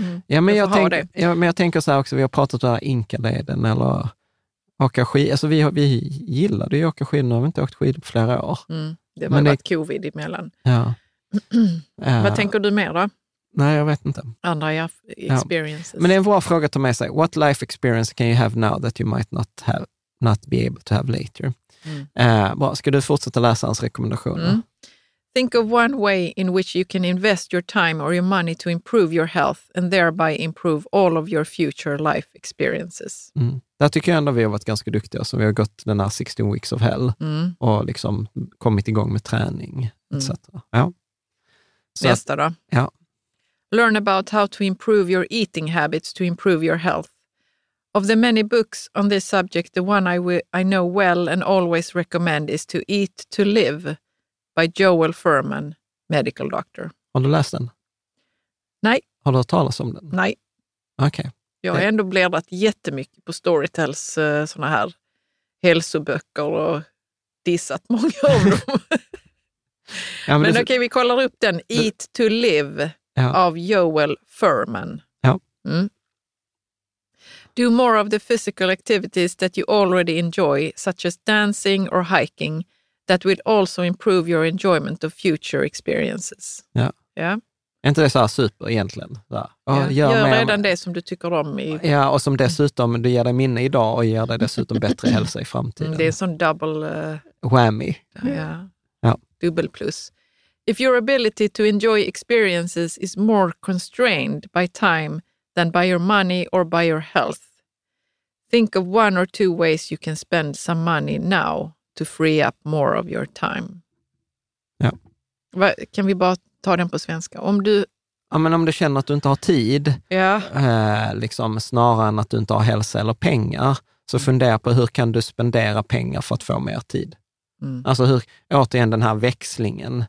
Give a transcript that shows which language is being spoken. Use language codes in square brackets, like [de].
[sv] Ja, men jag tänker så här också, vi har pratat om Inkaleden eller åka skid. Alltså vi gillade ju åka skid, nu har vi inte åkt skid på flera år. Det har varit covid emellan. Ja. Vad tänker du mer då? Nej, jag vet inte. Andra experiences. Ja. Men det är en bra fråga att ta med sig. [en] What life experience can you have now that you might not have, not be able to have later? Mm. [sv] Bra, ska du fortsätta läsa hans rekommendationer? Mm. [en] Think of one way in which you can invest your time or your money to improve your health and thereby improve all of your future life experiences. Mm. [sv] Där tycker jag ändå vi har varit ganska duktiga. Så vi har gått den här [en] 16 weeks of hell [sv] och liksom kommit igång med träning etc. Mm. Ja. Så nästa då? Ja. [en] Learn about how to improve your eating habits to improve your health. Of the many books on this subject, the one I know well and always recommend is To Eat to Live by Joel Fuhrman, medical doctor. [sv] Har du läst den? Nej. Har du hört talas om den? Nej. Okej. Okay. Jag har ändå bläddrat jättemycket på Storytels såna här hälsoböcker och dissat många av dem. Ja, men okej, vi kollar upp den. Eat to Live. Ja. Av Joel Fuhrman. Ja. Mm. [en] Do more of the physical activities that you already enjoy, such as dancing or hiking, that will also improve your enjoyment of future experiences. [sv] Ja. Ja. Är inte det så här super egentligen? Så här. Ja. Gör redan det som du tycker om. Ja, och som dessutom, du ger dig minne idag och ger dig dessutom bättre hälsa i framtiden. Det är en sån double... [en] whammy. [sv] Ja. Ja. [en] Double plus. If your ability to enjoy experiences is more constrained by time than by your money or by your health, think of one or two ways you can spend some money now to free up more of your time. [sv] Ja. Kan vi bara ta den på svenska? Om du, ja, men om du känner att du inte har tid, ja, liksom snarare än att du inte har hälsa eller pengar, så fundera på hur kan du spendera pengar för att få mer tid? Mm. Alltså hur, återigen den här växlingen.